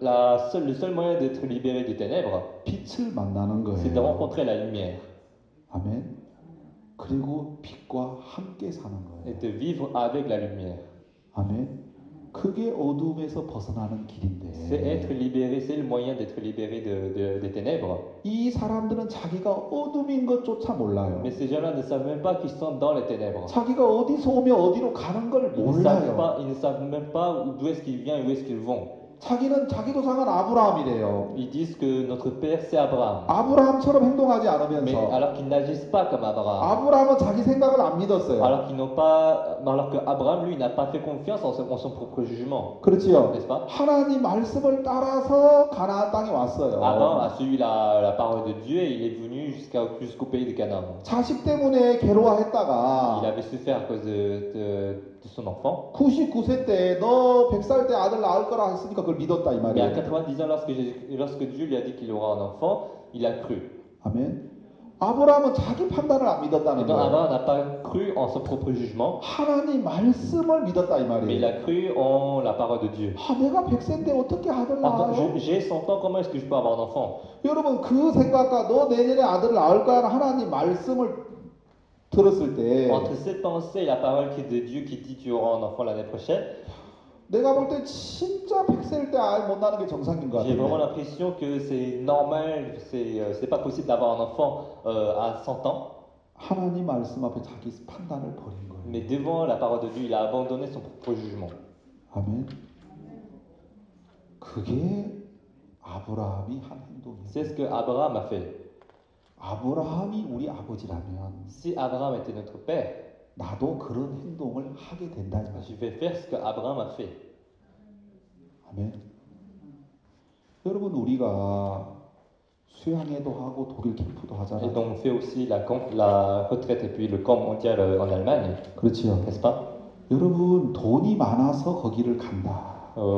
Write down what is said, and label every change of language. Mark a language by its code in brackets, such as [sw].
[fr] le seul moyen d'être libéré des ténèbres [ko] 빛을 만나는 거예요. [fr] C'est de rencontrer la lumière. [ko] 아멘. 그리고 빛과 함께 사는 거예요. [fr] Et de vivre avec la lumière. [ko] 아멘. 그게 어둠에서 벗어나는 길인데. [fr] C'est être libéré, c'est le moyen d'être libéré des ténèbres. [ko] 이 사람들은 자기가 어둠인 것조차 몰라요. [fr] Mais ces gens-là ne savent même pas qu'ils sont dans les ténèbres. [ko] 자기가 어디서 오며 어디로 가는 걸 몰라요. [fr] Ils ne savent même pas d'où est-ce qu'ils viennent, où est-ce qu'ils vont. [ko] 자기는 자기 조상은 아브라함이래요. [fr] Ils disent que notre père c'est Abraham. [ko] 아브라함처럼 행동하지 않으면서. [fr] Mais alors qu'ils n'agissent pas comme Abraham. [ko] 아브라함은 자기 생각을 안 믿었어요. [fr] Alors qu'ils n'ont pas, alors que Abraham lui n'a pas fait confiance en son propre jugement. [ko] 그렇지요. [fr] N'est-ce pas? [ko] 하나님 말씀을 따라서 가나안 땅에 왔어요. [fr] Abraham a suivi la parole de Dieu et il est venu jusqu'au pays de Canaan. [ko] 자식 때문에 괴로워했다가. [fr] Il avait souffert à cause de son enfant. [ko] 99세 때 너 100살 때 아들 낳을 거라 했으니까 그걸 믿었다 이 말이에요. [fr] Mais à 90 ans lorsque Dieu lui a dit qu'il aura un enfant, il a cru. [ko] 아멘. 아브라함은 자기 판단을 안 믿었다는 거예요. [fr] Abraham n'a pas cru en son propre jugement. [ko] 하나님 말씀을 믿었다 이 말이에요. [fr] Mais il a cru en la parole de Dieu. [ko] 아, 내가 100세 때 어떻게 아들 낳아? [fr] J'ai 100 ans, comment est-ce que je peux avoir un enfant? [ko] 여러분 그 생각과 너 내년에 아들 낳을 거야 하나님 말씀을 들었을 때 [fr] entre cette pensée et la parole qui de Dieu qui dit tu auras un enfant l'année prochaine [ko] 내가 볼 때 진짜 100세일 때 아이 못 낳는 게 정상인 거 같아요. [fr] J'ai vraiment l'impression que c'est normal, c'est pas possible d'avoir un enfant à 100 ans. [ko] 하나님 말씀 앞에 자기 판단을 버린 거예요. [fr] Mais devant la parole de Dieu, il a abandonné son propre jugement. [ko] 아멘. 그게 아브라함이 한 행동이. [fr] C'est ce que Abraham a fait. [ko] 아브라함이 우리 아버지라면 [fr] Si Abraham était notre père, [ko] 나도 그런 행동을 하게 된다. [fr] Je vais faire ce que Abraham a fait. [ko] 아멘. 여러분 우리가 수양회도 하고 독일 캠프도 하잖아요. [fr] Et donc on fait aussi la retraite et puis le camp mondial en Allemagne. [ko] 그렇지요. [fr] N'est-ce pas? [ko] 여러분 돈이 많아서 거기를 간다.